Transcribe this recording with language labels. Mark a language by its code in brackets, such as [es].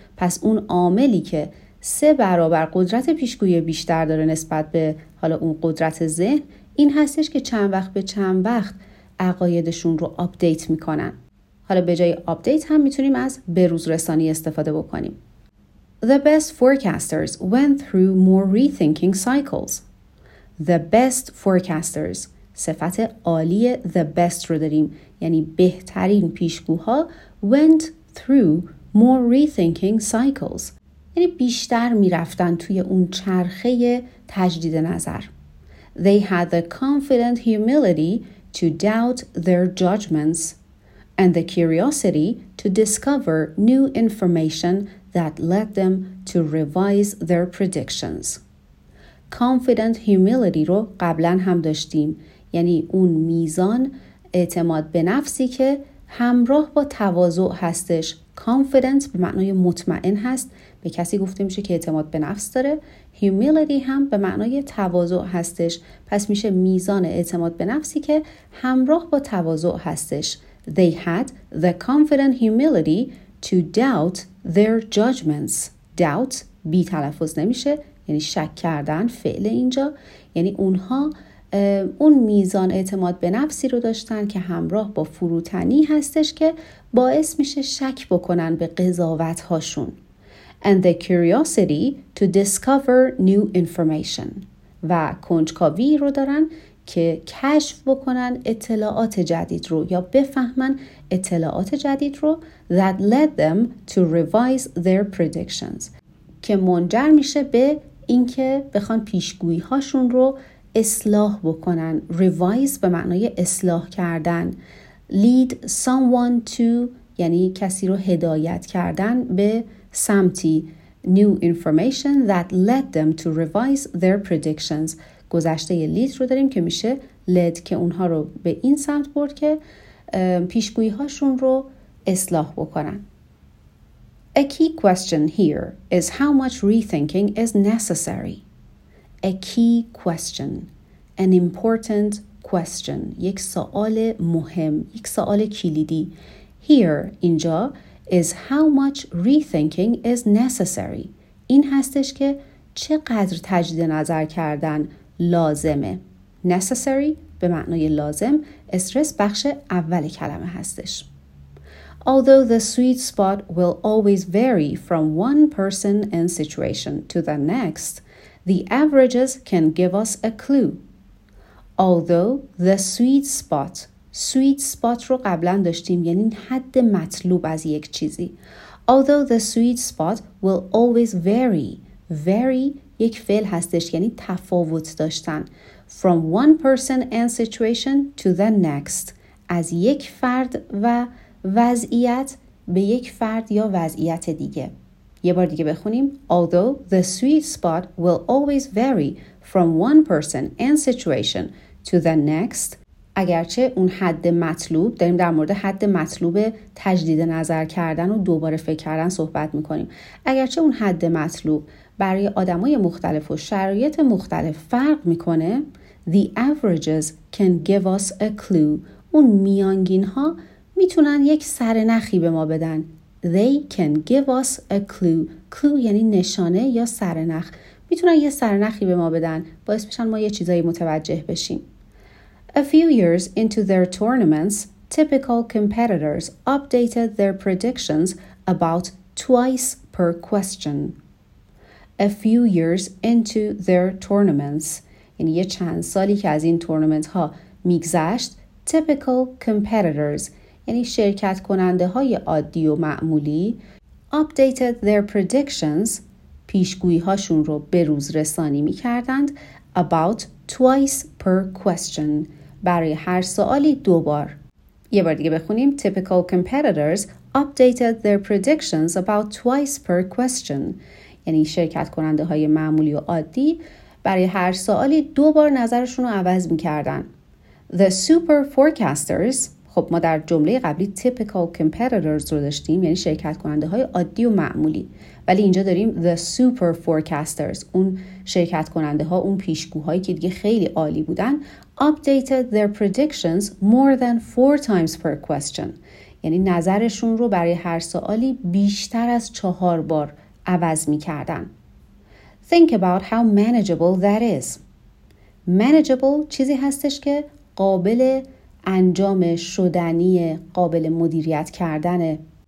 [fa] پس اون عاملی که سه برابر قدرت پیشگویی بیشتر داره نسبت به حالا اون قدرت ذهن، این هستش که چند وقت به چند وقت عقایدشون رو آپدیت میکنن. حالا به جای آپدیت هم میتونیم از بروز رسانی استفاده بکنیم. [en] The best forecasters went through more rethinking cycles. The best forecasters. [fa] صفت عالی [en] the best [fa] رو داریم. یعنی بهترین پیشگوها [en] went through more rethinking cycles. [fa] یعنی بیشتر می رفتن توی اون چرخه تجدید نظر. [en] They had the confident humility to doubt their judgments and the curiosity to discover new information that led them to revise their predictions. Confident humility [fa] رو قبلا هم داشتیم، یعنی اون میزان اعتماد به نفسی که همراه با تواضع هستش. Confident به معنای مطمئن هست، به کسی گفته میشه که اعتماد به نفس داره. Humility هم به معنای تواضع هستش، پس میشه میزان اعتماد به نفسی که همراه با تواضع هستش. [en] They had the confident humility to doubt their judgments. [fa] Doubt بی تلفظ نمیشه، یعنی شک کردن فعل اینجا، یعنی اونها اون میزان اعتماد به نفسی رو داشتن که همراه با فروتنی هستش که باعث میشه شک بکنن به قضاوت هاشون. [en] And the curiosity to discover new information. [fa] و کنجکاوی رو دارن که کشف بکنن اطلاعات جدید رو یا بفهمن اطلاعات جدید رو. [en] that led them to revise their predictions، [fa] که منجر میشه به اینکه بخوان پیشگویی هاشون رو اصلاح بکنن. revise به معنای اصلاح کردن. [en] lead someone to [fa] یعنی کسی رو هدایت کردن به سمتی. [en] new information that led them to revise their predictions، [fa] گذشته لید رو داریم که میشه لید، که اونها رو به این سمت برد که پیشگویی هاشون رو اصلاح بکنن. [en] A key question here is how much rethinking is necessary. A key question. An important question. [fa] یک سوال مهم. یک سوال کلیدی. [en] Here اینجا is how much rethinking is necessary. [fa] این هستش که چقدر تجدید نظر کردن لازمه. Necessary به معنای لازم استرس بخش اول کلمه هستش. [en] Although the sweet spot will always vary from one person and situation to the next, the averages can give us a clue. Although the sweet spot [fa] رو قبلا داشتیم یعنی حد مطلوب از یک چیزی. [en] Although the sweet spot will always vary. [fa] Vary یک فعل هستش یعنی تفاوت داشتن. [en] From one person and situation to the next. [fa] از یک فرد و وضعیت به یک فرد یا وضعیت دیگه. یه بار دیگه بخونیم. [en] Although the sweet spot will always vary from one person and situation to the next. [fa] اگرچه اون حد مطلوب، داریم در مورد حد مطلوب تجدید نظر کردن و دوباره فکر کردن صحبت میکنیم. اگرچه اون حد مطلوب برای آدمای مختلف و شرایط مختلف فرق میکنه، [en] the averages can give us a clue. [fa] اون میانگین ها میتونن یک سرنخی به ما بدن. [en] They can give us a clue. [fa] Clue یعنی نشانه یا سرنخ. میتونن یه سرنخی به ما بدن. باعث بشن ما یه چیزایی متوجه بشیم. [en] A few years into their tournaments, typical competitors updated their predictions about twice per question. A few years into their tournaments. [fa] یعنی یه چند سالی که از این تورنمنت ها میگذشت. [en] Typical competitors. [fa] یعنی شرکت کننده های عادی و معمولی [en] updated their predictions [fa] پیشگویی هاشون رو به روز رسانی می کردند [en] about twice per question [fa] برای هر سوالی دو بار. یه بار دیگه بخونیم. [en] Typical competitors updated their predictions about twice per question [fa] یعنی شرکت کننده های معمولی و عادی برای هر سوالی دو بار نظرشون رو عوض می کردند. [en] The super forecasters [fa] خب ما در جمله قبلی [en] typical competitors [fa] رو داشتیم یعنی شرکت کننده های عادی و معمولی، ولی اینجا داریم [en] the super forecasters، [fa] اون شرکت کننده ها، اون پیشگوهایی که دیگه خیلی عالی بودن، [en] updated their predictions more than 4 times per question [fa] یعنی نظرشون رو برای هر سوالی بیشتر از 4 بار عوض می کردن. [en] Think about how manageable that is. [fa] Manageable چیزی هستش که قابل انجام شدنی، قابل مدیریت کردنه.